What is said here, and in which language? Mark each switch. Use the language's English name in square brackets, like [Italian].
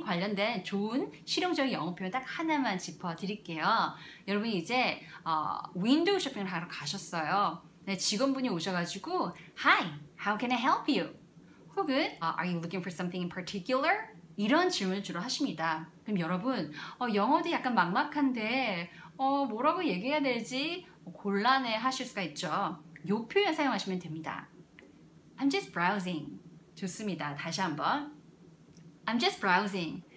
[Korean] 관련된 좋은 실용적인 영어 표현 딱 하나만 짚어드릴게요. 여러분, 이제 윈도우 쇼핑을 하러 가셨어요. 네, 직원분이 오셔가지고 [English] Hi! How can I help you? [Korean] 혹은 [English] Are you looking for something in particular? [Korean] 이런 질문을 주로 하십니다. 그럼 여러분, 영어도 약간 막막한데 뭐라고 얘기해야 될지 곤란해 하실 수가 있죠. 요 표현 사용하시면 됩니다. [English] I'm just browsing. [Korean] 좋습니다. 다시 한번. [English] I'm just browsing.